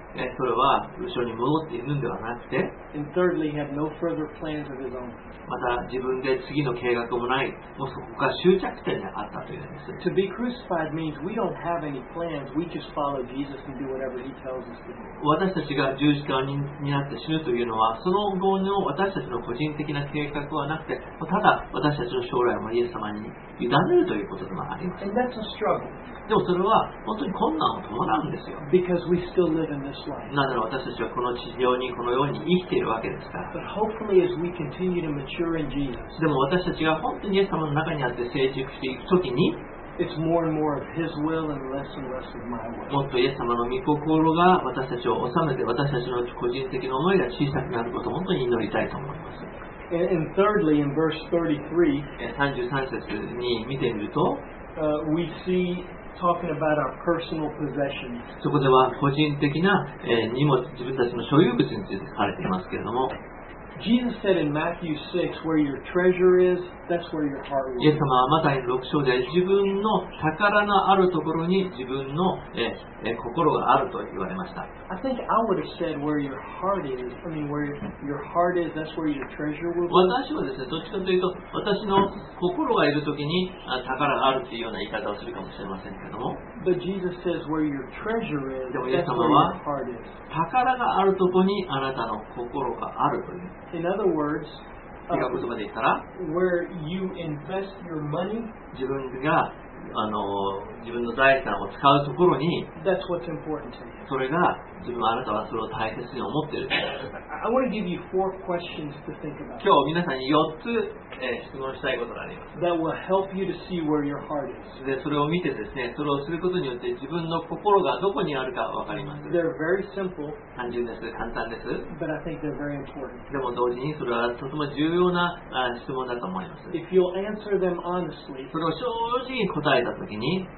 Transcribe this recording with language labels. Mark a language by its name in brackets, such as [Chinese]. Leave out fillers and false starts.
[Japanese] それは後ろに戻っているのではなくて。 [English] And thirdly, he had no further plans of his own. [Japanese] また自分で次の計画もない。もうそこが終着点であったというんです。 [English] To be crucified means we don't have any plans. We just follow Jesus and do whatever he tells us to do. [Japanese] 私たちが十字架になって死ぬというのは、その後の私たちの個人的な計画はなくて、ただ私たちの将来をイエス様に委ねるということでもあります。 [English] And that's a struggle. [Japanese] でもそれは本当に困難を伴うんですよ。 [English] Because we still live in this life. [Japanese] なので私たちはこの地上にこのように生きているわけですから。 [English] But hopefully as we continue to mature in Jesus. [Japanese] でも私たちが本当にイエス様の中にあって成熟していくときに、 [English] It's more and more of His will and less and less of my will. [Japanese] もっとイエス様の御心が私たちを治めて、私たちの個人的な思いが小さくなることを本当に祈りたいと思います。 [English] And thirdly, in verse 33, [Japanese] 33節に見てみると、 [English] we see talking about our personal possessions. [Japanese] そこでは個人的な、荷物、自分たちの所有物について書かれていますけれども、 [English] Jesus said in Matthew 6, where your treasure is, that's where your heart will be. [Japanese] イエス様はマタイ6章で自分の宝のあるところに自分の心があると言われました。 [English] I think I would have said where your heart is, I mean where your heart is, that's where your treasure will be. [Japanese] 私はですね、どっちかというと私の心がいるときに宝があるというような言い方をするかもしれませんけども。 [English] But Jesus says where your treasure is, that's where your heart is. [Japanese] 宝があるとこにあなたの心があるという。 [English] In other words, [Japanese] 違う言葉で言ったら、 [English] where you invest your money, [Japanese] 自分が自分の財産を使うところに、 [English] that's what's important to you. [Japanese] それが自分あなたはそれを大切に思っている。 [English] I want to give you four questions to think about. [Japanese] 今日皆さんに4つ、質問したいことがあります。 [English] That will help you to see where your heart is. [Japanese] でそれを見てですね、それをすることによって自分の心がどこにあるか分かります。 [English] They're very simple. [Japanese] 単純です、簡単です。 [English] But I think they're very important. [Japanese] でも同時にそれはとても重要な質問だと思います。 [English] If you'll answer them honestly, [Japanese] それを正直に答えたときに、